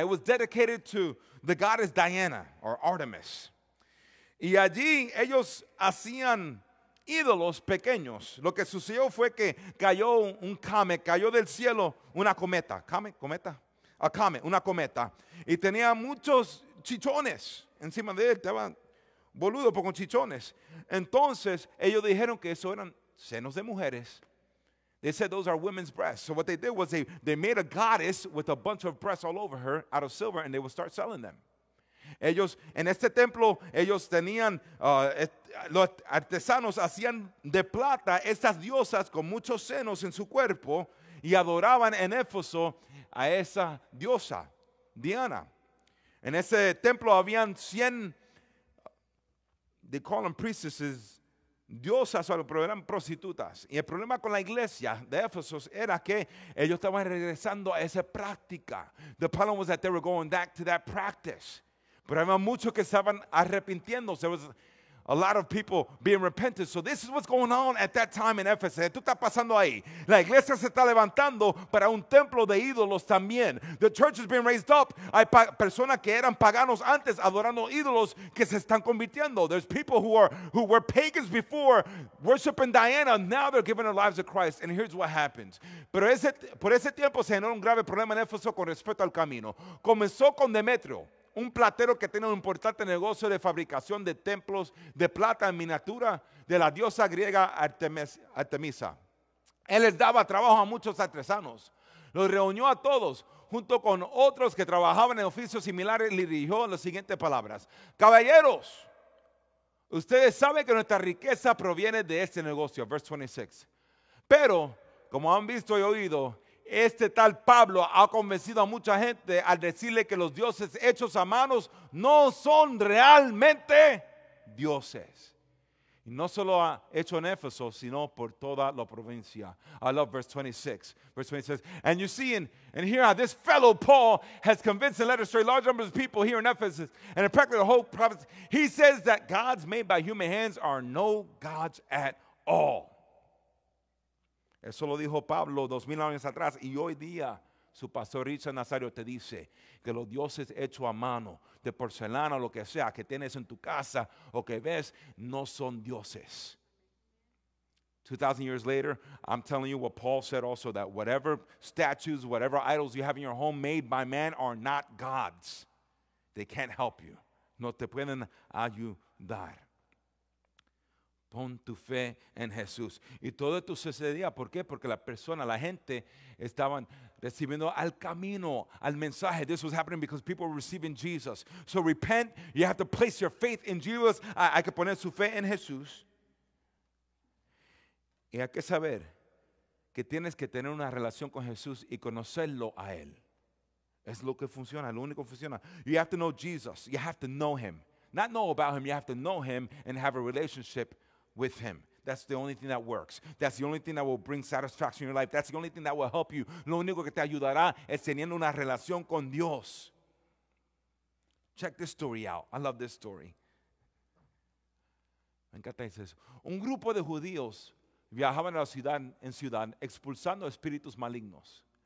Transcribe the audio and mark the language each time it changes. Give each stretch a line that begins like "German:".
English: It was dedicated to the goddess Diana or Artemis.
Spanish: Y allí ellos hacían ídolos pequeños. Lo que sucedió fue que cayó un comet, cayó del cielo una cometa. ¿Comet? ¿Cometa? A comet, una cometa. Y tenía muchos chichones encima de él. Estaban boludos con chichones. Entonces ellos dijeron que eso eran senos de mujeres.
English: They said those are women's breasts. So what they did was they made a goddess with a bunch of breasts all over her out of silver, and they would start selling them.
Spanish: Ellos, en este templo, ellos tenían, los artesanos hacían de plata estas diosas con muchos senos en su cuerpo y adoraban en Éfeso a esa diosa, Diana. En ese templo habían 100,
English: they call them priestesses,
Spanish: diosas, pero eran prostitutas. Y el problema con la iglesia de Éfeso era que ellos estaban regresando a esa práctica.
English: The problem was that they were going back to that practice.
Spanish: Pero había muchos que estaban arrepintiendo.
English: There was a lot of people being repentant. So this is what's going on at that time in Ephesus.
Spanish: Esto está pasando ahí. La iglesia se está levantando para un templo de ídolos también.
English: The church is being raised up.
Spanish: Hay personas que eran paganos antes adorando ídolos que se están convirtiendo.
English: There's people who were pagans before worshiping Diana. Now they're giving their lives to Christ. And here's what happens.
Spanish: Pero por ese tiempo se generó un grave problema en Éfeso con respecto al camino. Comenzó con Demetrio, un platero que tiene un importante negocio de fabricación de templos de plata en miniatura de la diosa griega Artemisa. Él les daba trabajo a muchos artesanos. Los reunió a todos junto con otros que trabajaban en oficios similares y le dirigió las siguientes palabras: caballeros, ustedes saben que nuestra riqueza proviene de este negocio.
English: Verse 26.
Spanish: Pero, como han visto y oído, este tal Pablo ha convencido a mucha gente al decirle que los dioses hechos a manos no son realmente dioses. Y no solo ha hecho en Éfeso, sino por toda la provincia.
English: I love verse 26. Verse 26. And you see and here how this fellow Paul has convinced and led astray large numbers of people here in Ephesus and in practically the whole province. He says that gods made by human hands are no gods at all.
Spanish: Eso lo dijo Pablo 2,000 años atrás. Y hoy día, su pastor Richie Nazario te dice que los dioses hechos a mano, de porcelana, lo que sea, que tienes en tu casa o que ves, no son dioses.
English: 2,000 years later, I'm telling you what Paul said also, that whatever statues, whatever idols you have in your home made by man are not gods. They can't help you.
Spanish: No te pueden ayudar. Pon tu fe en Jesús. Y todo esto sucedía, ¿por qué? Porque la persona, la gente, estaban recibiendo al camino, al mensaje. This was happening because people were receiving Jesus. So repent, you have to place your faith in Jesus. Hay que poner su fe en Jesús. Y hay que saber que tienes que tener una relación con Jesús y conocerlo a Él. Es lo que funciona, lo único que funciona.
English: You have to know Jesus. You have to know Him. Not know about Him, you have to know Him and have a relationship with Him. That's the only thing that works. That's the only thing that will bring satisfaction in your life. That's the only thing that will help you.
Spanish: Lo único que te ayudará es teniendo una relación con Dios.
English: Check this story out. I love this story.
Spanish: Me encanta eso. Un grupo de judíos viajaban a la ciudad en ciudad expulsando espíritus malignos.